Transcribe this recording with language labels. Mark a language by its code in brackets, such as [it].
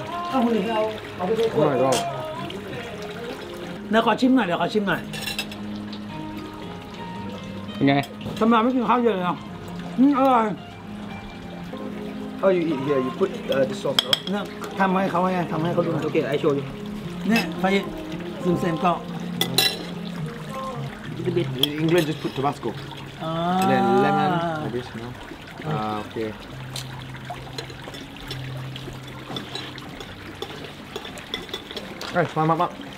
[th] เอาคุณ เอาไป ด้ วยเดี๋ยวขอชิมหน่อยเดี๋ยวขอชิมหน่อย เป็นไง ทำไมไม่กินข้าวเยอะเลยอ่ะอร่อย [en] How you eat here you put the sauce [th] เนาะทำให้เขาไงทำให้เขาดู โอเคไอโชว์อยู่เนี่ยไปซูมเซมก็ [en] little bit in England just put Tabasco and then lemon like this no okay [th] สวยมากมาก